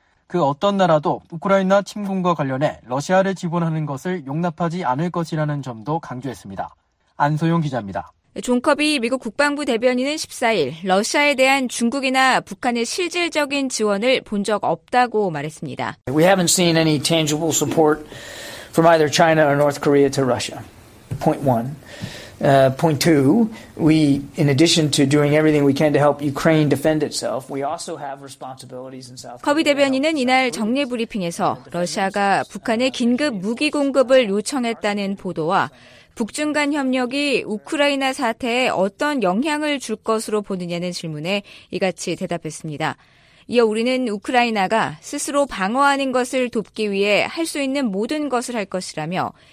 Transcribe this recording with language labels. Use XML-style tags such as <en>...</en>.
<ko>그 어떤 나라도 우크라이나 침공과 관련해 러시아를 지원하는 것을 용납하지 않을 것이라는 점도 강조했습니다. 안소용 기자입니다. 존 커비 미국 국방부 대변인은 14일 러시아에 대한 중국이나 북한의 실질적인 지원을 본 적 없다고 말했습니다.</ko> <en>We haven't seen any tangible support from either China or North Korea to Russia. Point one. Point two, we, in addition to doing everything we can to help Ukraine defend itself, we also have responsibilities in South Korea.</en> <ko>커비 대변인은 이날 정례 브리핑에서 러시아가 북한에 긴급 무기 공급을 요청했다는 보도와 북중 간 협력이 우크라이나 사태에 어떤 영향을 줄 것으로 보느냐는 질문에 이같이 대답했습니다. 이어 우리는 우크라이나가 스스로 방어하는 것을 돕기 위해 할 수 있는 모든 것을 할 것이라며</ko>